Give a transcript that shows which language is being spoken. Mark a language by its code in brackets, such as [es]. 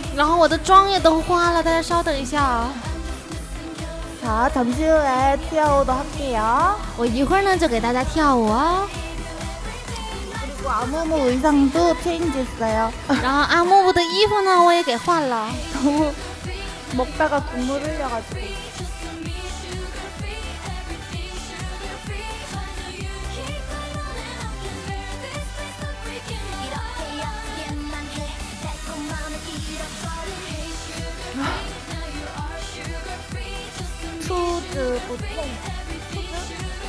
[zh] 然后我的妆也都花了，大家稍等一下。 [ko] 자잠시후에跳舞도할게요 [zh] 我一会儿呢就给大家跳舞啊。 [ko] 아무무의상도체인지했어요 [zh] 然后阿木木的衣服呢我也给换了 [ko] 너무먹다가국물흘려가지고 [zh] 肚子不痛